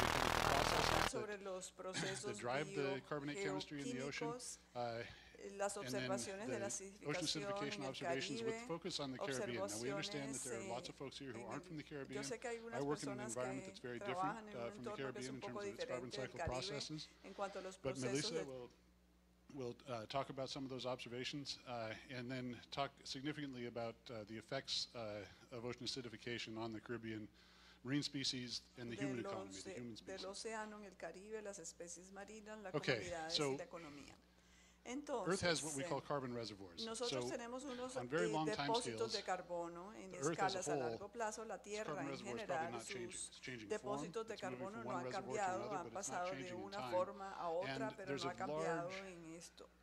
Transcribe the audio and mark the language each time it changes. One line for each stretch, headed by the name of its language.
English: to drive the carbonate chemistry in the ocean.
Spanish: Las observaciones de la acidificación en el Caribe, observaciones
English: Now, we understand that there are lots of folks here who aren't from the Caribbean.
Spanish: Yo sé que hay unas personas que trabajan en un entorno que es un poco diferente del Caribe en cuanto a los procesos.
English: But Melissa will talk about some of those observations and then talk significantly about the effects of ocean acidification on the Caribbean marine species and the human economy, the human species.
Spanish: Del océano en el Caribe, las especies marinas, la comunidad y la economía. Entonces,
English: Earth has what we call carbon reservoires.
Spanish: Nosotros tenemos unos depósitos de carbono en escalas a largo plazo. La Tierra en general, sus depósitos de carbono no han cambiado, han pasado de una forma a otra, pero no ha cambiado en esto.